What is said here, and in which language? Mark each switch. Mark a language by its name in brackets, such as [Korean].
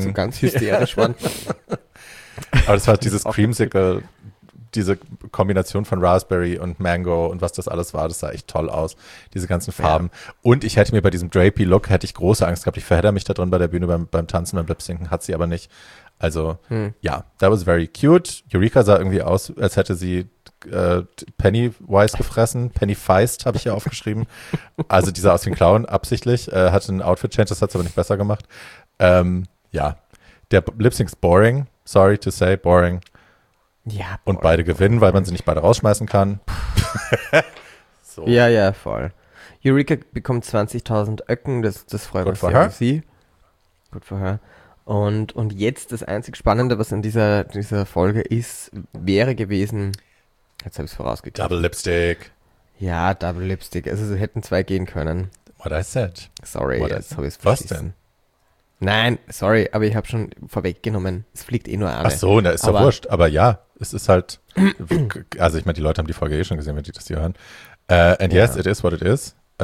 [German] So ganz hysterisch waren. Aber das war dieses Creamsicle, diese Kombination von Raspberry und Mango und was das alles war, das sah echt toll aus. Diese ganzen Farben. Ja. Und ich hätte mir bei diesem drapey Look, hätte ich große Angst gehabt. Ich verhedder mich da drin bei der Bühne beim Tanzen, beim Lipsinken, hat sie aber nicht. [English] Also, ja, that was very cute. [German] Eureka sah irgendwie aus, als hätte sie Pennywise gefressen. Pennyfeist habe ich ja aufgeschrieben. Also, die sah aus wie ein Clown, absichtlich. Hatte einen Outfit-Change, das hat es aber nicht besser gemacht. Ja, der Lip-Sync ist boring. [English] Sorry to say, boring. [German] Ja. [English] Boring. [German] Und beide gewinnen, weil man sie nicht beide rausschmeißen kann. So. Ja, ja, voll. Eureka bekommt 20.000 Öcken, das freut mich sehr auf sie. [English] Good for her. [German] Und jetzt das einzig Spannende, was in dieser Folge ist, wäre gewesen, jetzt habe ich es vorausgekriegt. [English] Double Lipstick. [German] Ja, Double Lipstick. Also sie hätten zwei gehen können. [English] What I said. Sorry, what [German] jetzt habe ich es verstanden. Was denn? Nein, sorry, aber ich habe schon vorweggenommen. Es fliegt eh nur eine. Ach so, na, ist doch aber, wurscht. Aber ja, es ist halt, also ich meine, die Leute haben die Folge eh schon gesehen, wenn die das hier hören. [English] And yes, yeah. It is what it is.